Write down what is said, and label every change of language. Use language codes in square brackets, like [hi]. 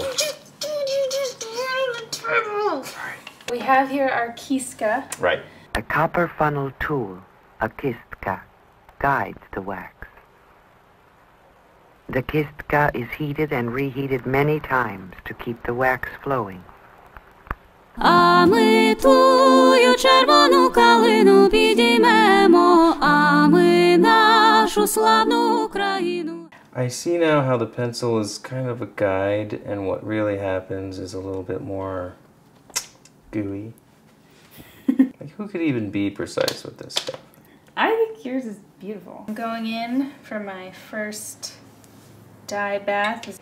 [en] Dude, you just ran the turtle. Sorry. We have here our kiska. Right. A copper funnel tool, a kistka, guides the wax. The kistka is heated and reheated many times to keep the wax flowing. [uk] А ми тую червону калину підіймемо, а ми нашу славну Україну. [en] I see now how the pencil is kind of a guide, and what really happens is a little bit more gooey. Like, who could even be precise with this stuff? I think yours is beautiful. I'm going in for my first dye bath.